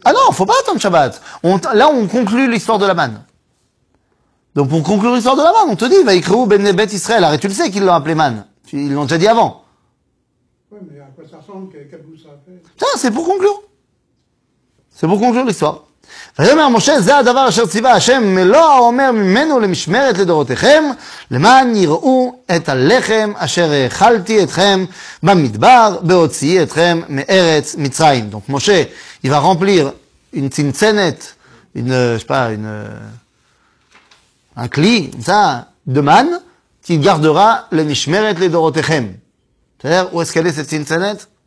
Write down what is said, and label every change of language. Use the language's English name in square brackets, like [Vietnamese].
[French] Ah non, il ne faut pas attendre Shabbat. Là, on conclut l'histoire de la manne. Donc, pour conclure l'histoire de la manne, on te dit, va écrire au Beth Israël. Arrête, tu le sais qu'ils l'ont appelé manne. Ils l'ont déjà dit avant. Oui, mais à quoi ça ressemble? Quel bout ça fait? Tiens, c'est pour conclure. C'est pour conclure l'histoire. [Hebrew] ויאמר משה זה הדבר אשר ציווה השם מלוא האומר ממנו למשמרת לדורותיכם למען יראו את הלחם אשר אכלתי אתכם במדבר בהוציאי אתכם מארץ מצרים. [French] Donc Moshe il va remplir une tzinzenet, un kli, ça, de man qui gardera le mishmeret ledorotechem. C'est-à-dire où est-ce qu'elle est cette tzinzenet?